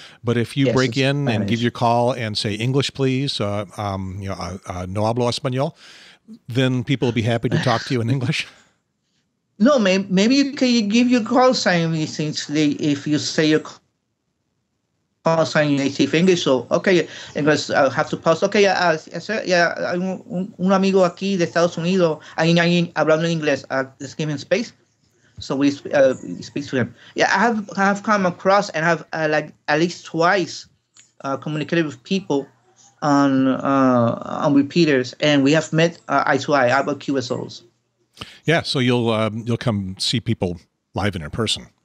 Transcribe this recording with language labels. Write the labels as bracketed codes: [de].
[en] But if you break in Spanish and give your call and say English, please, [es] no hablo español, [en] then people will be happy to talk to you in English. No, maybe you can give your call sign if you say your call sign in native English. So, okay, and I have to pause. [es] Okay, un amigo aquí de Estados Unidos, alguien hablando en inglés, [en] just give him space. So we speak to him. Yeah, I have come across and have like at least twice communicated with people on repeaters, and we have met eye to eye about QSOs. Yeah, so you'll come see people live and in person.